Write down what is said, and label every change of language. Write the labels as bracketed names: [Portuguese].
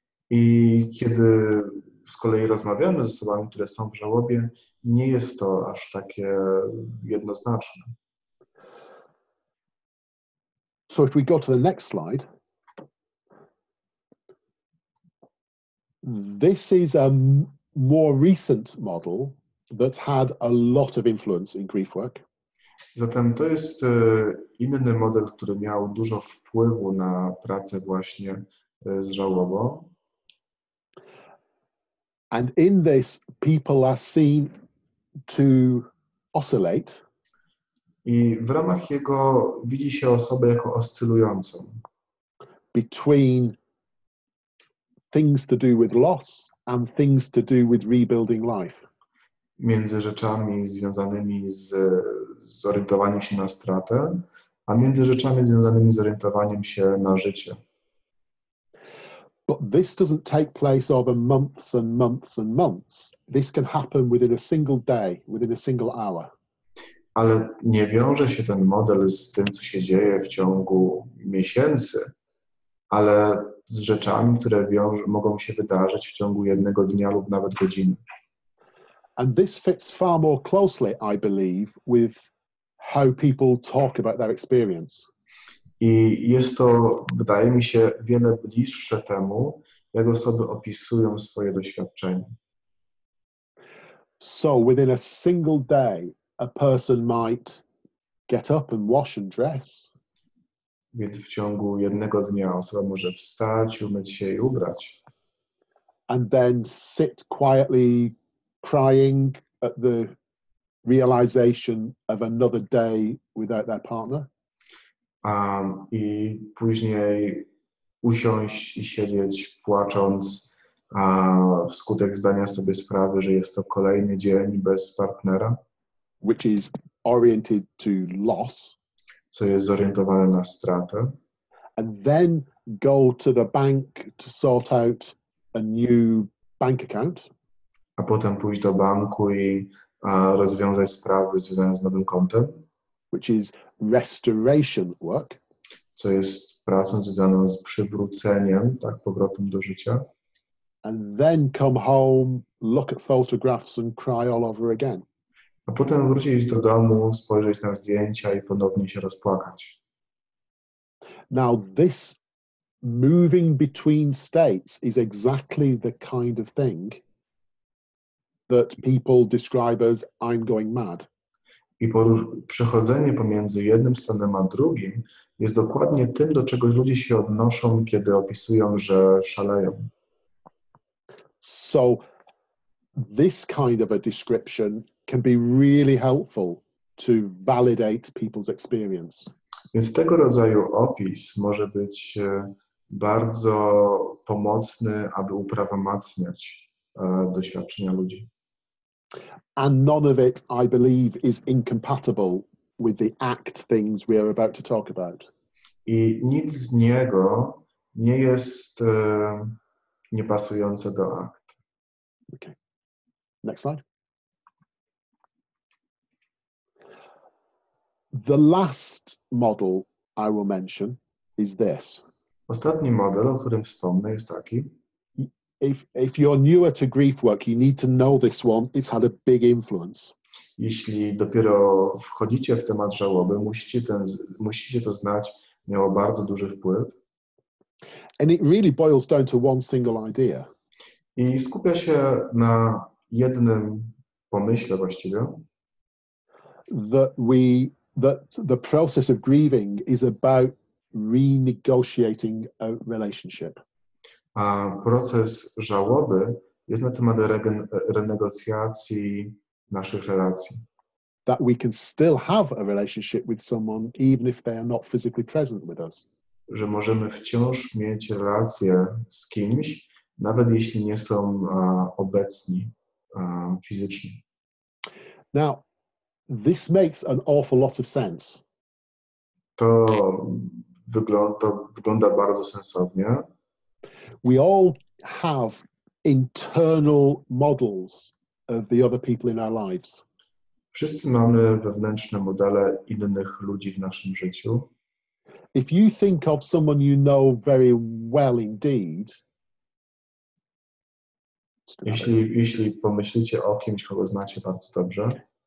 [Polish] I kiedy z kolei rozmawiamy z osobami, które są w żałobie, nie jest to aż takie jednoznaczne. [English] So if we go to the next slide, this is a more recent model that had a lot of influence in grief work. [Polish] Zatem to jest inny model, który miał dużo wpływu na pracę właśnie z żałobą. [English] And in this, people are seen to oscillate. [Polish] I w ramach jego widzi się osobę jako oscylującą. [English] Between things to do with loss and things to do with rebuilding life. [Polish] Między rzeczami związanymi z zorientowaniem się na stratę, a między rzeczami związanymi z orientowaniem się na życie. [English] But this doesn't take place over months and months and months. This can happen within a single day, within a single hour. [Polish] Ale nie wiąże się ten model z tym, co się dzieje w ciągu miesięcy, ale z rzeczami, które mogą się wydarzyć w ciągu jednego dnia lub nawet godziny. [English] And this fits far more closely, I believe, with how people talk about their experience. [Polish] I jest to, wydaje mi się, wiele bliższe temu, jak osoby opisują swoje doświadczenie. [English] So within a single day, a person might get up and wash and dress. [Polish] Więc w ciągu jednego dnia osoba może wstać, umyć się i ubrać. [English] And then sit quietly crying at the realization of another day without their partner. [Polish] I później usiąść i siedzieć płacząc wskutek zdania sobie sprawy, że jest to kolejny dzień bez partnera. [English] Which is oriented to loss. [Polish] Co jest zorientowane na stratę. [English] And then go to the bank to sort out a new bank account. [Polish] A potem pójść do banku i rozwiązać sprawy związane z nowym kontem. [English] Which is restoration work. [Polish] Co jest pracą związaną z przywróceniem, tak, powrotem do życia. [English] And then come home, look at photographs and cry all over again. [Polish] A potem wrócić do domu, spojrzeć na zdjęcia i ponownie się rozpłakać. [English] Now this moving between states is exactly the kind of thing that people describe as I'm going mad. [Polish] I przechodzenie pomiędzy jednym stanem a drugim jest dokładnie tym, do czego ludzie się odnoszą, kiedy opisują, że szaleją. [English] So this kind of a description can be really helpful to validate people's experience. [Polish] Więc tego rodzaju opis może być bardzo pomocny, aby uprawomacniać doświadczenia ludzi. [English] And none of it, I believe, is incompatible with the ACT things we are about to talk about. [Polish] I nic z niego nie jest niepasujące do ACT. [English] Okay. Next slide. The last model I will mention is this. [Polish] Ostatni model, o którym wspomnę, jest taki. [English] If you're newer to grief work, you need to know this one. It's had a big influence. [Polish] Jeśli dopiero wchodzicie w temat żałoby, musicie to znać, miało bardzo duży wpływ. [English] And it really boils down to one single idea. [Polish] I skupia się na jednym pomyśle właściwie. [English] That the process of grieving is about renegotiating a relationship. [Polish] A proces żałoby jest na temat renegocjacji naszych relacji. [English] That we can still have a relationship with someone, even if they are not physically present with us. [Polish] Że możemy wciąż mieć relację z kimś, nawet jeśli nie są obecni fizycznie. [English] Now, this makes an awful lot of sense. [Polish] To wygląda bardzo sensownie. [English] We all have internal models of the other people in our lives. [Polish] Wszyscy mamy wewnętrzne modele innych ludzi w naszym życiu. [English] If you think of someone you know very well indeed, [Polish] jeśli pomyślicie o kimś, kogo znacie bardzo dobrze,